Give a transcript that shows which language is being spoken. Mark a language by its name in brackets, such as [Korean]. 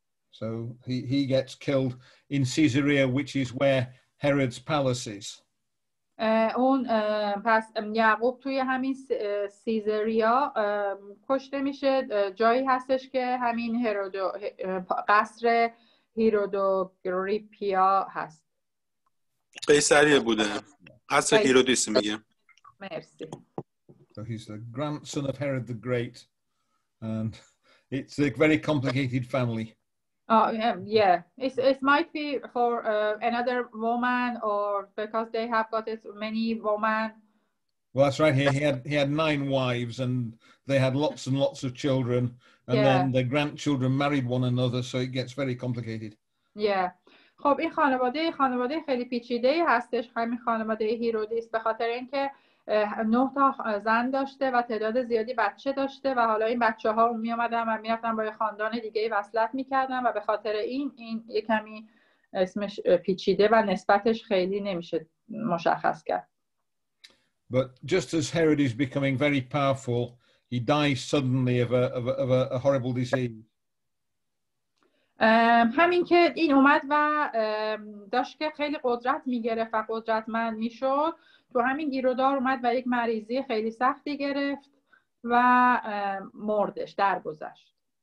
[English] So he gets killed in Caesarea, which is where Herod's palace is. [Persian] اون پس یعقوب توی همین سیزریا کشته میشه جایی هستش که همین هرودو قصر هیرودوگریپیا هست. قیصریه بوده. قصر هیرودیس میگم. مرسی. [English] So he's the grandson of Herod the Great and it's a very complicated family. It might be for another woman or because they have got it many women. Well, that's right. He had 9 wives and they had lots and lots of children. And yeah. Then the grandchildren married one another, so it gets very complicated. Yeah. [Persian] خب این خانواده خیلی پیچیده هستش همین خانواده هیرودیس به خاطر اینکه 9 تا زن داشته و تعداد زیادی بچه داشته و حالا این بچه ها می آمدن و می رفتن با یه خاندان دیگه وصلت می کردن و به خاطر این یه کمی اسمش پیچیده و نسبتش خیلی نمیشه مشخص کرد. [English] But just as Herod is becoming very powerful, he dies suddenly of a horrible disease. [Persian] همین که این اومد و داشت که خیلی قدرت میگرفت و قدرتمند میشد تو همین گیرودار اومد و یک مریضی خیلی سختی گرفت و مردش درگذشت.